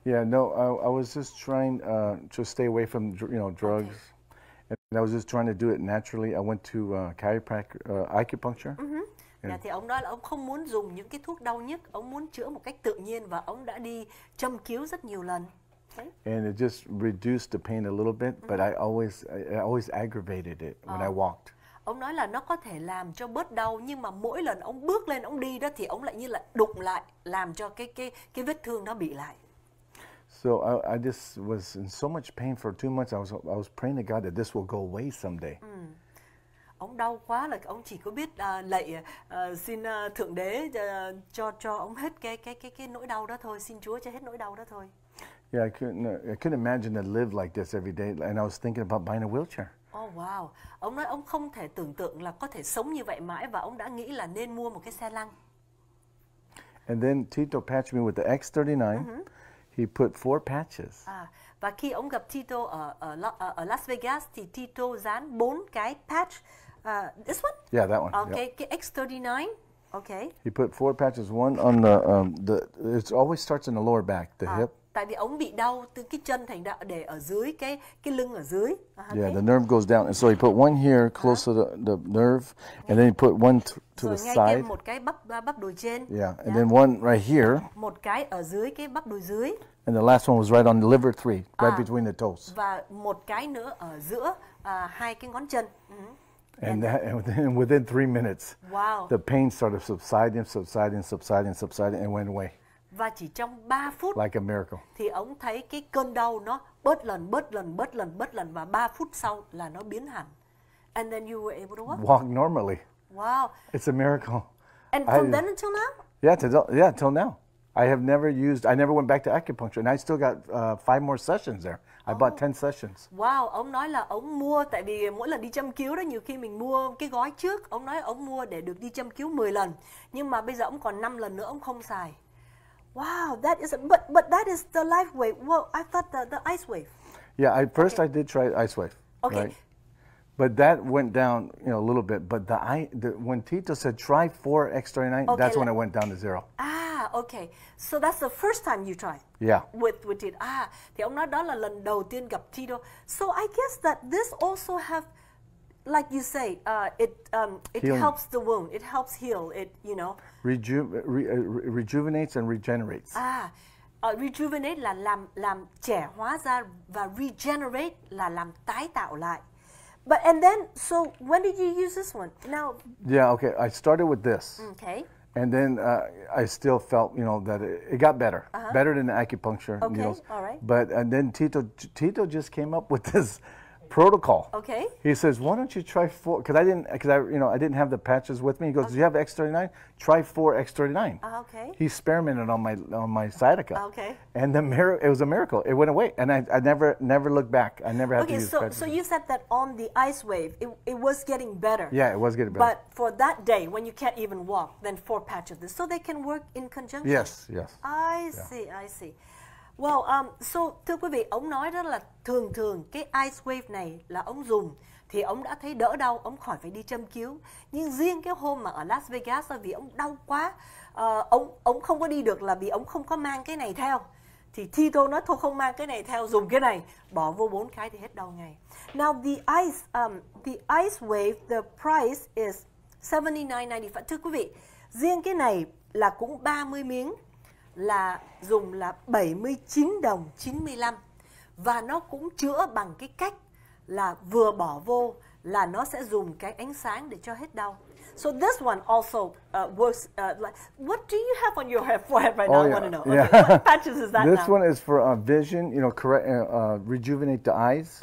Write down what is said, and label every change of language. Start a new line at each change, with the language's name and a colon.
English: Yeah, no, I was just trying to stay away from, you know, drugs. Okay. And I was just trying to do it naturally. I went to acupuncture. Mm-hmm.
Vietnamese: Yeah, thì ông nói là ông không muốn dùng những cái thuốc đau nhức, ông muốn chữa một cách tự nhiên và ông đã đi châm cứu rất nhiều lần.
English: Okay. And it just reduced the pain a little bit, mm-hmm. but I always aggravated it when I walked.
Vietnamese: Ông nói là nó có thể làm cho bớt đau, nhưng mà mỗi lần ông bước lên ông đi đó thì ông lại như là đụng lại, làm cho cái vết thương nó bị lại.
English: So I just was in so much pain for 2 months. I was praying to God that this will go away someday.
Vietnamese: Ông đau quá là ông chỉ có biết lạy xin Thượng Đế cho ông hết cái nỗi đau đó thôi, xin Chúa cho hết nỗi đau đó thôi.
English: Yeah, I couldn't imagine to live like this every day, and I was thinking about buying a wheelchair. Oh wow.
Vietnamese: Ông nói ông không thể tưởng tượng là có thể sống như vậy mãi và ông đã nghĩ là nên mua một cái xe lăn.
English: And then Tito patched me with the X39. Uh-huh. He put 4 patches.
Vietnamese: À, và khi ông gặp Tito ở Las Vegas thì Tito dán 4 cái patch.
English: This one? Yeah, that one. Okay, yep.
Vietnamese: Cái X39. Okay.
English: He put 4 patches, one on the it always starts in the lower back, the hip.
Vietnamese: Tại vì ông bị đau từ cái chân, thành ra để ở dưới cái lưng ở dưới.
English: Yeah, the nerve goes down, and so he put one here close to the nerve, and then he put one to the side.
Vietnamese: Rồi ngay thêm một cái bắp đùi trên.
English: Yeah, and then one right here.
Vietnamese: Một cái ở dưới cái bắp đùi dưới.
English: And the last one was right on the liver 3, right between the toes.
Vietnamese: Và một cái nữa ở giữa hai cái ngón chân.
English: And within 3 minutes, wow. The pain started subsiding, and went away.
Vietnamese: Và chỉ trong 3 phút
English: like a miracle.
Vietnamese: Thì ông thấy cái cơn đau nó bớt lần và 3 phút sau là nó biến hẳn.
English: And then you were able to walk normally. Wow. It's a miracle. And from then until now? Till now. I never went back to acupuncture, and I still got 5 more sessions there. I bought 10 sessions.
Vietnamese: Wow, ông nói là ông mua, tại vì mỗi lần đi châm cứu đó, nhiều khi mình mua cái gói trước, ông nói ông mua để được đi châm cứu 10 lần. Nhưng mà bây giờ ông còn 5 lần nữa ông không xài.
English: Wow, that is but that is the life wave. Well, I thought the ice wave. Yeah, I did try ice wave. Okay. Right? But that went down, you know, a little bit, but when Tito said try 4 X39, okay, that's when it went down to 0. Ah, okay. So that's the first time you tried. Yeah. With it. Ah, thì ông nói đó là lần đầu tiên gặp Tito. So I guess that this also have, like you say, it healing. Helps the wound. It helps heal. It, you know. Rejuvenates and regenerates. Ah, rejuvenate là làm trẻ hóa ra, và regenerate là làm tái tạo lại. But and then, so when did you use this one? Now. Yeah. Okay. I started with this. Okay. And then I still felt, you know, that it got better, uh-huh. better than the acupuncture. Okay. Needles. All right. But and then Tito just came up with this protocol. Okay. He says, why don't you try 4? Because I didn't have the patches with me. He goes, okay. Do you have X39? Try 4 X39. Okay. He experimented on my sciatica. Okay. And it was a miracle. It went away. And I never looked back. I never had to use patches. Okay, so you said that on the ice wave, it was getting better. Yeah, it was getting better. But for that day, when you can't even walk, then 4 patches. So they can work in conjunction? Yes, yes. I see.
Vietnamese: Well, so thưa quý vị, ông nói đó là thường thường cái ice wave này là ông dùng thì ông đã thấy đỡ đau, ông khỏi phải đi châm cứu. Nhưng riêng cái hôm mà ở Las Vegas, vì ông đau quá, ông không có đi được là vì ông không có mang cái này theo. Thì Tito nói thôi không mang cái này theo, dùng cái này, bỏ vô 4 cái thì hết đau ngay.
English: Now the ice wave, the price is $79.95.
Vietnamese: Thưa quý vị, riêng cái này là cũng 30 miếng. Là dùng là 79 đồng 95, và nó cũng chữa bằng cái cách là vừa bỏ vô là nó sẽ dùng cái ánh sáng để cho hết đau.
English: So this one also works. What do you have on your head forehead right now? Yeah. I want to know. Okay, yeah. What patches is that this now? This one is for vision, you know, correct, rejuvenate the eyes.